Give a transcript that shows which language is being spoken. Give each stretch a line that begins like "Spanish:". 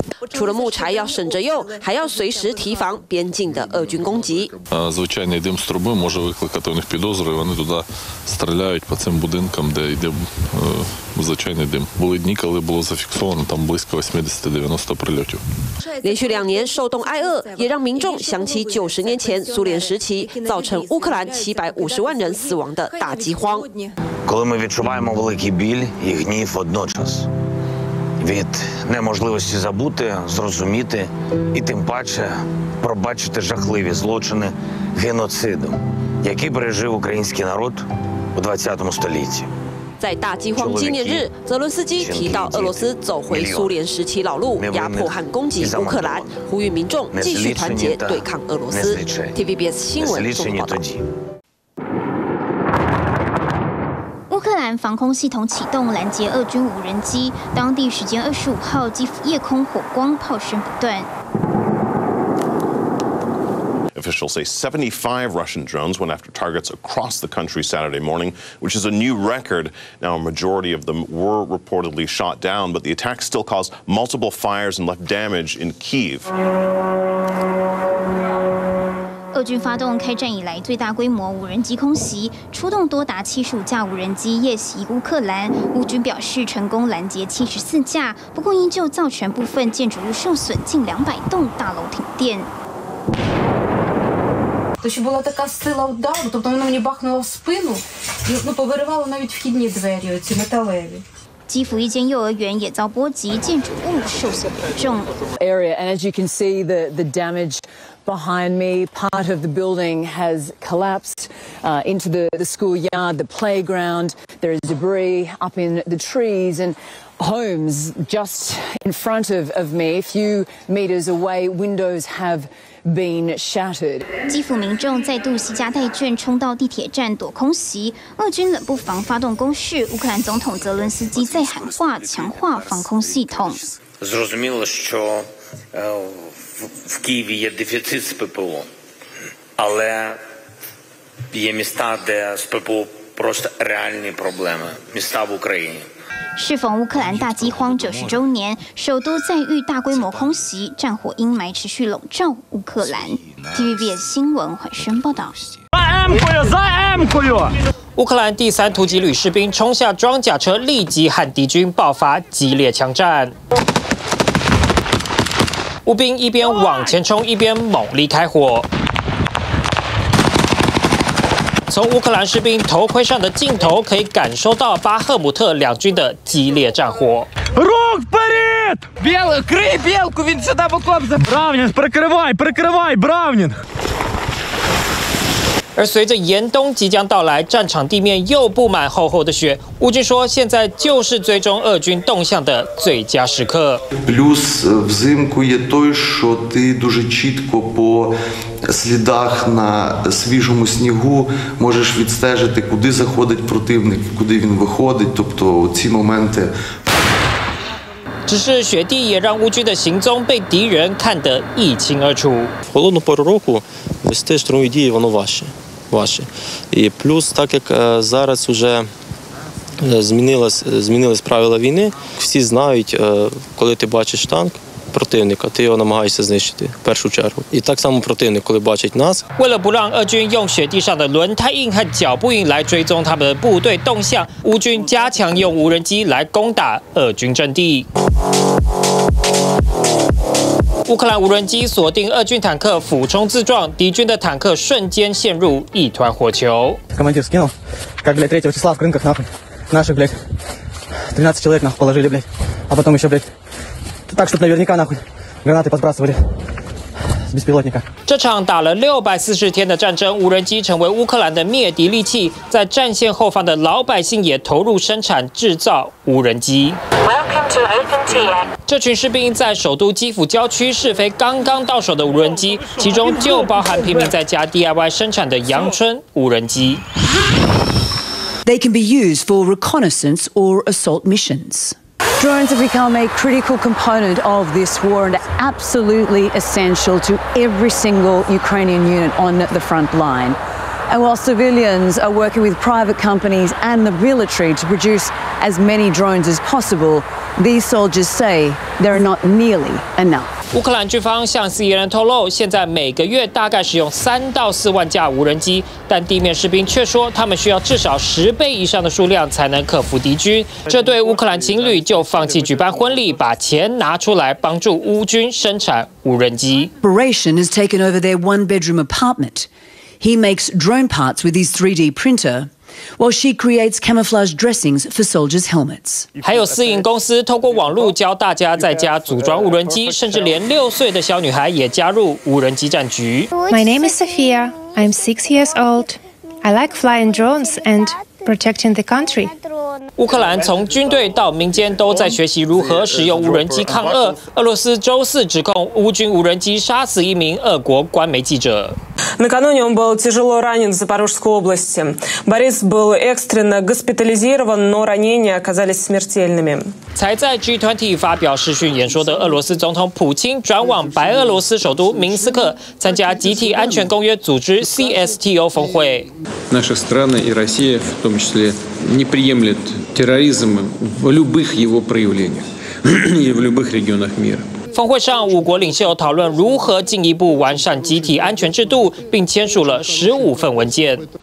Chinese: 除了木柴要省着用，还要随时提防边境的俄军攻击。
Ukrainian: Звичайний дим з труби може викликати у них підозру, і вони туди стріляють по цим будинкам, де йде звичайний дим. Були дні, коли було зафіксовано там близько 80-90 прильотів.
Chinese: 连续两年受冻挨饿，也让民众想起90年前苏联时期造成乌克兰750万人死亡的大饥荒。
Ukrainian: Коли ми відчуваємо великий біль і гнів одночас. Від неможливості забути, зрозуміти і тим паче пробачити жахливі злочини геноциду, який пережив український народ у 20 столітті.
Chinese: 在大饥荒纪念日，泽伦斯基提到俄罗斯走回苏联时期老路，压迫和攻击乌克兰，呼吁民众继续团结对抗俄罗斯。 TVBS 新闻综合报道。乌克兰防空系统启动拦截俄军无人机，当地时间25号，基辅夜空火光，炮声不断。
English: Officials say 75 Russian drones went after targets across the country Saturday morning, which is a new record. Now, a majority of them were reportedly shot down, but the attacks still caused multiple fires and left damage in Kyiv.
Chinese: 俄军发动开战以来最大规模无人机空袭，出动多达75架无人机夜袭乌克兰。乌军表示成功拦截74架，不过依旧造成部分建筑物受损，近200栋大楼停电。
Ukrainian: То що була така сила удару, тобто вона мені бахнула в спину і повиривала навіть вхідні двері, оці металеві.
Chinese: 基辅一间幼儿园也遭波及，建筑物受损严重。
English: Area, and as you can see, the damage behind me, part of the building has collapsed into the schoolyard, the playground. There is debris up in the trees and homes just in front of me, a few meters away. Windows have been shattered.
Chinese: 基辅民众再度携家带眷冲到地铁站躲空袭，俄军冷不防发动攻势，乌克兰总统泽伦斯基在喊话强化防空系统。
Ukrainian: Зрозуміло, що в Києві є дефіцит з ППО, але є міста, де з ППО просто реальні проблеми. Міста в Україні.
Chinese: 适逢乌克兰大饥荒90周年，首都再遇大规模空袭，战火阴霾持续笼罩乌克兰。 TVBS 新闻华声报道。乌克兰第三突击旅士兵冲下装甲车，立即和敌军爆发激烈枪战。乌兵一边往前冲，一边猛力开火。从乌克兰士兵头盔上的镜头可以感受到巴赫姆特两军的激烈战火。
Ukrainian: Рух вперед! Крий білку, він сюди боком за Бравнін, прикривай, прикривай, Бравнін!
Chinese: 而随着严冬即将到来，战场地面又布满厚厚的雪。乌军说，现在就是追踪俄军动向的最佳时刻。
Ukrainian: Плюс взимку є той, що ти дуже чітко по слідах на свіжому снігу можеш відстежити, куди заходить противник, куди він виходить. Тобто ці моменти.
Chinese: 只是雪地也让乌军的行踪被敌人看得一清二楚。
Ukrainian: Холодну пару року вести штурмові дії воно важче。 Ваші. І плюс, так як зараз вже змінились правила війни, всі знають, коли ти бачиш танк противника, ти його намагаєшся знищити в першу чергу. І так само противник, коли бачить нас.
Chinese: 为了不让俄军用雪地上的轮胎印和脚步印来追踪他们的部队动向，乌军加强用无人机来攻打俄军阵地。乌克兰无人机锁定俄军坦克，俯冲自撞，敌军的坦克瞬间陷入一团火球。
Russian: командир скинул, как для третьего числа в рынках нахуй наших блять, 13 человек нахуй положили блять, а потом еще блять, так чтобы наверняка нахуй гранаты подбрасывали с беспилотника.
Chinese: 这场打了640天的战争，无人机成为乌克兰的灭敌利器，在战线后方的老百姓也投入生产制造无人机。这群士兵在首都基辅郊区试飞刚刚到手的无人机，其中就包含平民在家 DIY 生产的阳春无人机。
English: They can be used for reconnaissance or assault missions. Drones have become a critical component of this war and absolutely essential to every single Ukrainian unit on the front line. And while civilians are working with private companies and the military to produce as many drones as possible, these soldiers say there are not nearly enough.
Chinese: 乌克兰军方向 CNN 透露，现在每个月大概使用3到4万架无人机，但地面士兵却说，他们需要至少10倍以上的数量才能克服敌军。这对乌克兰情侣就放弃举办婚礼，把钱拿出来帮助乌军生产无人机。
English: Operation has taken over their one-bedroom apartment. He makes drone parts with his 3D printer, while she creates camouflage dressings for soldiers' helmets.
Chinese: 还有私营公司透过网络教大家在家组装无人机，甚至连6岁的小女孩也加入无人机战局。
English: My name is Sophia. I'm 6 years old. I like flying drones and. Protecting the country.
Chinese: 乌克兰从军队到民间都在学习如何使用无人机抗俄。俄罗斯周四指控乌军无人机杀死一名俄国官媒记者。
Russian: Накануне он был тяжело ранен в Запорожской области. Борис был экстренно госпитализирован, но ранения оказались смертельными.
Chinese: 才在 G20 发表视讯演说的俄罗斯总统普京转往白俄罗斯首都明斯克参加集体安全公约组织 CSTO 峰会。
Russian: Наши страны и Россия в том числе не приемлют терроризм в любых его проявлениях и в любых регионах мира.
Chinese: 峰会上，五国领袖讨论如何进一步完善集体安全制度，并签署了15份文件。